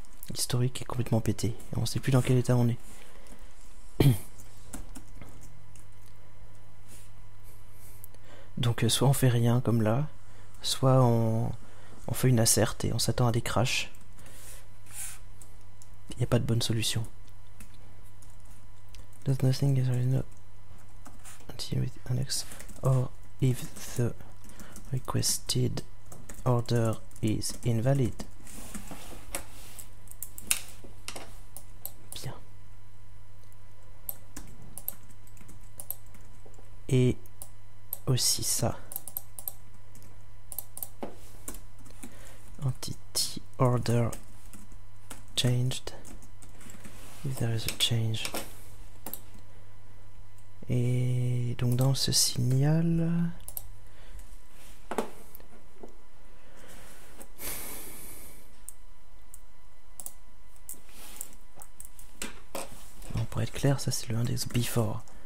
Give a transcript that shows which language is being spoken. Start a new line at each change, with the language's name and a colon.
French: L'historique est complètement pété, on ne sait plus dans quel état on est. Donc soit on fait rien comme là, soit on fait une assert et on s'attend à des crashs. Il n'y a pas de bonne solution.
English: Does nothing is there no activity index or if the requested order is invalid.
French: Bien. Et aussi ça.
English: Entity order changed if there is a change.
French: Et donc dans ce signal, bon, pour être clair, ça c'est le index before.